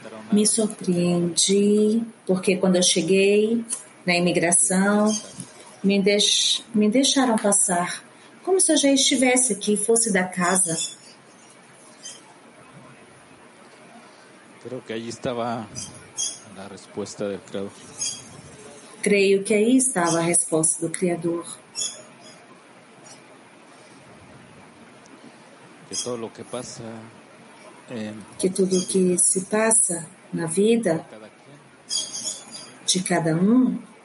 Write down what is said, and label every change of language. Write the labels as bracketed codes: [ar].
[pt] me surpreendi porque quando eu cheguei na imigração me deixaram passar como se eu já estivesse aqui, fosse da casa. [es] Creo que allí estaba la respuesta del Creador. [pt] Creio que aí estava a resposta do Criador. [es] Que todo lo que pasa [pt] que tudo que se passa na vida de cada um